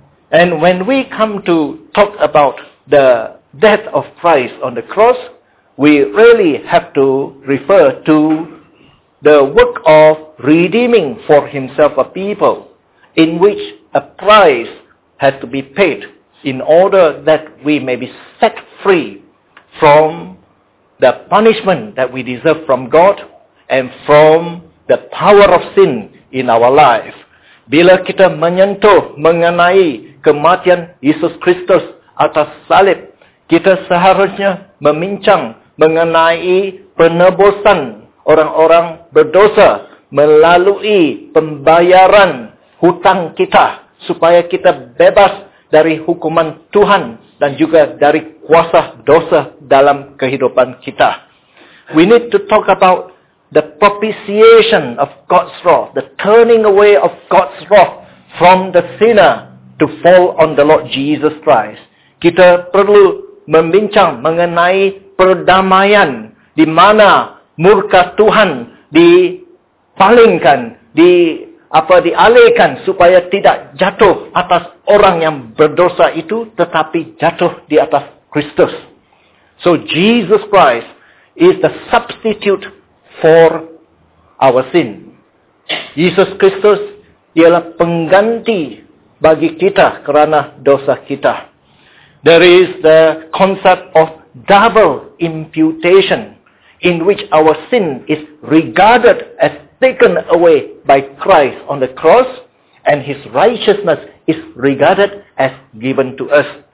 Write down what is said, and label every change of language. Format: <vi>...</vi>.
<en>And when we come to talk about the death of Christ on the cross, we really have to refer to the work of redeeming for Himself a people, in which a price has to be paid in order that we may be set free from the punishment that we deserve from God and from the power of sin in our life.</en> <ms>Bila kita menyentuh mengenai kematian Yesus Kristus atas salib, kita seharusnya membincang mengenai penebusan orang-orang berdosa melalui pembayaran hutang kita, supaya kita bebas dari hukuman Tuhan dan juga dari kuasa dosa dalam kehidupan kita.</ms> <en>We need to talk about the propitiation of God's wrath, the turning away of God's wrath from the sinner to fall on the Lord Jesus Christ.</en> <ms>Kita perlu membincang mengenai perdamaian di mana murka Tuhan dipalingkan, dialihkan supaya tidak jatuh atas orang yang berdosa itu, tetapi jatuh di atas Kristus.</ms> <en>So Jesus Christ is the substitute for our sin.</en> <ms>Yesus Kristus ialah pengganti bagi kita kerana dosa kita.</ms> <en>There is the concept of double imputation, in which our sin is regarded as taken away by Christ on the cross, and His righteousness is regarded as given to us.</en>